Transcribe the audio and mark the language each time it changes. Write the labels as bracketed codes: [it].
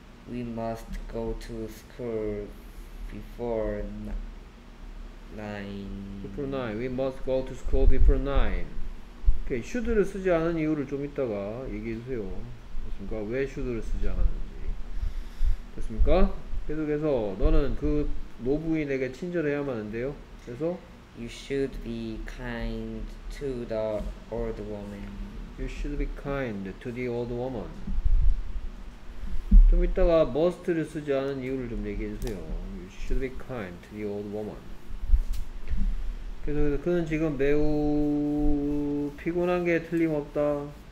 [en] We must go to school before 9. Before 9. We must go to school before 9. Okay. [ko] should를 쓰지 않은 이유를 좀 이따가 얘기해주세요. 됐습니까? 왜 should를 쓰지 않았는지. 됐습니까? 계속해서 너는 그 노부인에게 친절해야만 한대요. 그래서 [en] You should be kind to the old woman. You should be kind to the old woman. [ko] 좀 이따가 must를 쓰지 않은 이유를 좀 얘기해주세요. [en] You should be kind to the old woman. [ko] 계속해서 그는 지금 매우 피곤한 게 틀림없다.